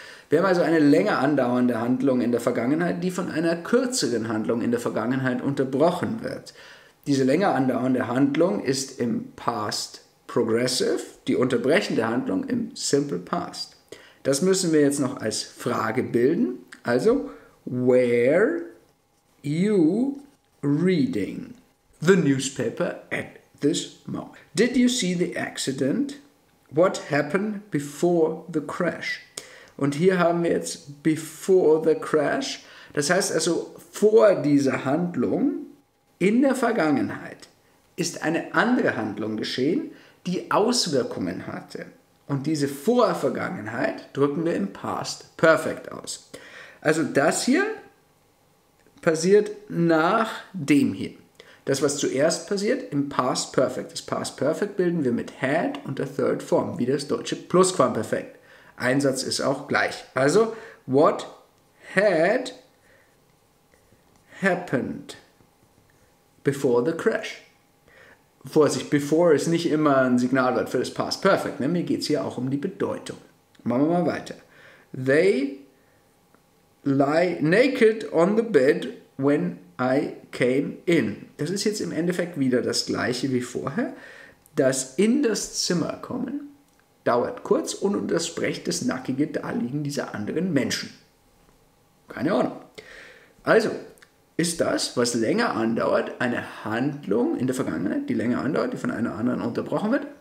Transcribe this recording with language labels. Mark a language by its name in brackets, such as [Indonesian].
[German] Wir haben also eine länger andauernde Handlung in der Vergangenheit, die von einer kürzeren Handlung in der Vergangenheit unterbrochen wird. Diese länger andauernde Handlung ist im Past Progressive, die unterbrechende Handlung im Simple Past. Das müssen wir jetzt noch als Frage bilden. [English] Also, where you reading the newspaper at this moment? Did you see the accident? What happened before the crash? [German] Und hier haben wir jetzt [English] before the crash. [German] Das heißt also, vor dieser Handlung in der Vergangenheit ist eine andere Handlung geschehen, die Auswirkungen hatte. Und diese Vorvergangenheit drücken wir im Past Perfect aus. Also das hier passiert nach dem hier. Das, was zuerst passiert, im Past Perfect. Das Past Perfect bilden wir mit had und der Third Form, wie das deutsche Plusquamperfekt. Ein Satz ist auch gleich. Also, [English] what had happened before the crash? [German] Vorsicht, before ist nicht immer ein Signalwort für das Past Perfect. Ne? Mir geht es hier auch um die Bedeutung. Machen wir mal weiter. [English] They lie naked on the bed when I came in. [German] Das ist jetzt im Endeffekt wieder das gleiche wie vorher. Das in das Zimmer kommen dauert kurz und unterbricht das nackige Daliegen dieser anderen Menschen. Keine Ahnung. Also, ist das, was länger andauert, eine Handlung in der Vergangenheit, die länger andauert, die von einer anderen unterbrochen wird?